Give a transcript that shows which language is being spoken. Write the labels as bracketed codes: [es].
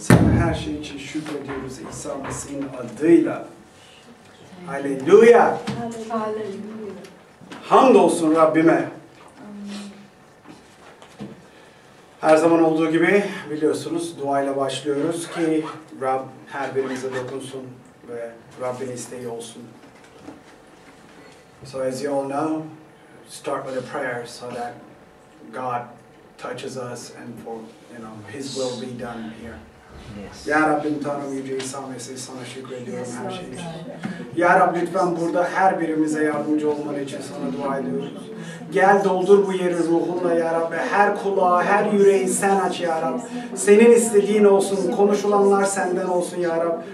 [tr] Sana her şey için şükrediyoruz İsa Mesih'in adıyla. Haleluya. Hamdolsun Rabbime. Her zaman olduğu gibi biliyorsunuz duayla başlıyoruz ki Rab her birimize dokunsun ve Rabbin isteği olsun. [en] So as you all know, start with a prayer so that God touches us and for, you know, His will be done here. Yes. [tr] Ya Rabbim Tanrım Yüce İsa Mesih, sana şükrediyorum her şey için. Ya Rab lütfen burada her birimize yardımcı olman için sana dua ediyoruz. Gel doldur bu yeri ruhunla ya Rab ve her kulağı, her yüreği sen aç ya Rab. Senin istediğin olsun, konuşulanlar senden olsun ya Rab.